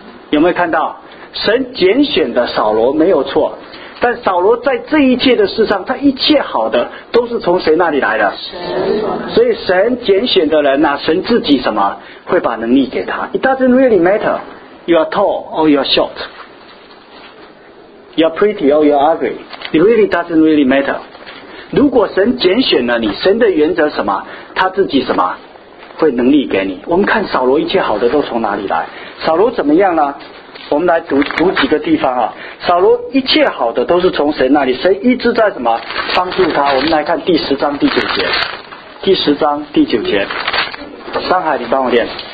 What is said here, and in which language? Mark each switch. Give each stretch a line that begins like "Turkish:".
Chinese: 有没有看到神拣选的扫罗没有错，但扫罗在这一切的事上他一切好的都是从谁那里来的？所以神拣选的人啊，神自己什么会把能力给他。
English: It doesn't really matter you are tall or you are short, you are pretty or you are ugly, it really doesn't really matter。
Chinese: 如果神拣选了你，神的原则什么？他自己什么会能力给你。我们看扫罗一切好的都从哪里来，扫罗怎么样呢？我们来 读几个地方啊。扫罗一切好的都是从神那里，神一直在什么帮助他。我们来看第十章第九节，第十章第九节，上海你帮我念。